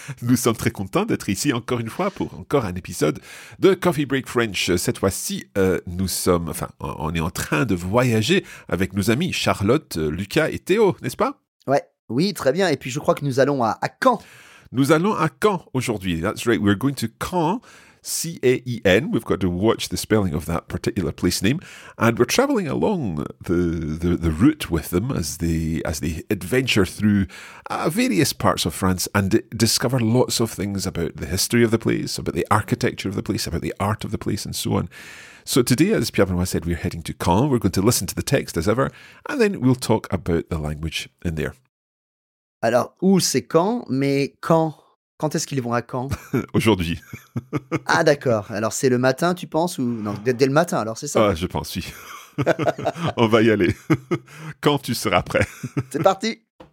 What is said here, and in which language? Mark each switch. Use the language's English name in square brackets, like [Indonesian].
[French] Nous sommes très contents d'être ici encore une fois pour encore un épisode de Coffee Break French. Cette fois-ci, on est en train de voyager avec nos amis Charlotte, Lucas et Théo, n'est-ce pas ? Oui, très bien. Et puis, je crois que nous allons à Caen. Nous allons à Caen aujourd'hui. [English] That's right, we're going to Caen. C-A-E-N, we've got to watch the spelling of that particular place name, and we're traveling along the route with them as they adventure through various parts of France and discover lots of things about the history of the place, about the architecture of the place, about the art of the place, and so on. So today, as Pierre Benoît said, we're heading to Caen, we're going to listen to the text as ever, and then we'll talk about the language in there. [French] Alors, où c'est Caen, mais Caen? Quand est-ce qu'ils vont à Caen ? Aujourd'hui. Ah d'accord, alors c'est le matin tu penses ou... Non, dès le matin alors, c'est ça ? Ah, je pense, oui. On va y aller. Quand tu seras prêt. C'est parti !